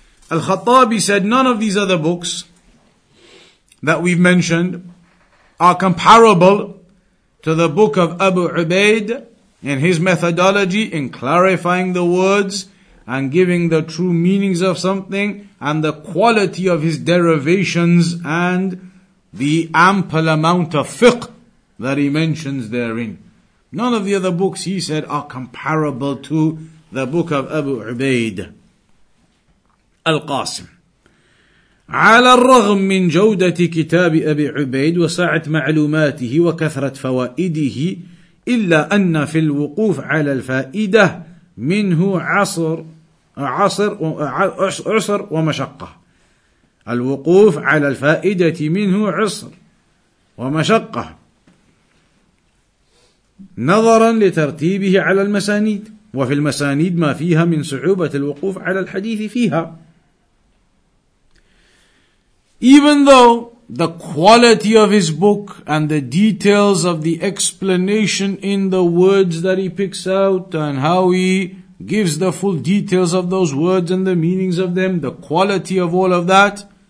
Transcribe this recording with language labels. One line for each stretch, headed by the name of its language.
English: Al-Khattabi said, none of these other books that we've mentioned are comparable to the book of Abu Ubaid in his methodology in clarifying the words and giving the true meanings of something, and the quality of his derivations and the ample amount of fiqh that he mentions therein. None of the other books, he said, are comparable to the book of Abu Ubaid.
Arabic: القاسم على الرغم من جودة كتاب أبي عبيد وسعة معلوماته وكثرة فوائده إلا أن في الوقوف على الفائدة منه عصر ومشقة. الوقوف على الفائدة منه عصر ومشقة نظرا لترتيبه على المسانيد وفي المسانيد ما فيها من صعوبة الوقوف على الحديث فيها.
English: Even though the quality of his book and the details of the explanation in the words that he picks out and how he gives the full details of those words and the meanings of them, the quality of all of that,